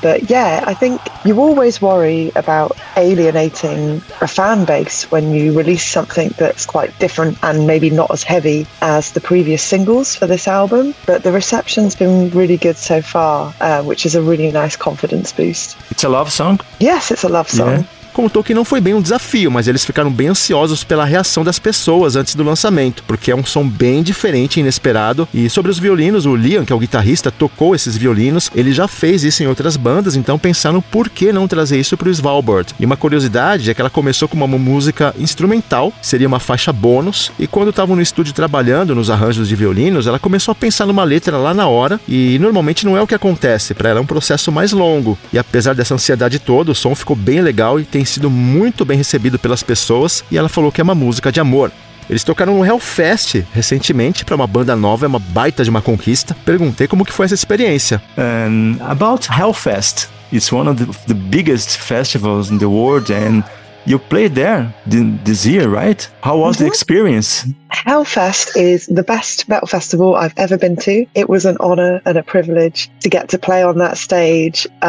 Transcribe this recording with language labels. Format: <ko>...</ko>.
<en>But yeah, I think you always worry about alienating a fan base when you release something that's quite different and maybe not as heavy as the previous singles for this album, but the reception's been really good so far, which is a really nice confidence boost. It's a love song? Yes, it's a love song. Yeah.</en> <pt>Contou que não foi bem um desafio, mas eles ficaram bem ansiosos pela reação das pessoas antes do lançamento, porque é um som bem diferente e inesperado. E sobre os violinos, o Liam, que é o guitarrista, tocou esses violinos. Ele já fez isso em outras bandas, então pensaram por que não trazer isso para o Svalbard. E uma curiosidade é que ela começou com uma música instrumental, seria uma faixa bônus, e quando estavam no estúdio trabalhando nos arranjos de violinos, ela começou a pensar numa letra lá na hora, e normalmente não é o que acontece, para ela é um processo mais longo. E apesar dessa ansiedade toda, o som ficou bem legal e tem sido muito bem recebido pelas pessoas, e ela falou que é uma música de amor. Eles tocaram no Hellfest recentemente para uma banda nova, é uma baita de uma conquista. Perguntei como que foi essa experiência.</pt> <en>And about Hellfest, it's one of the biggest festivals in the world, and you played there this year, right? How was the experience? Hellfest is the best metal festival I've ever been to. It was an honor and a privilege to get to play on that stage.</en>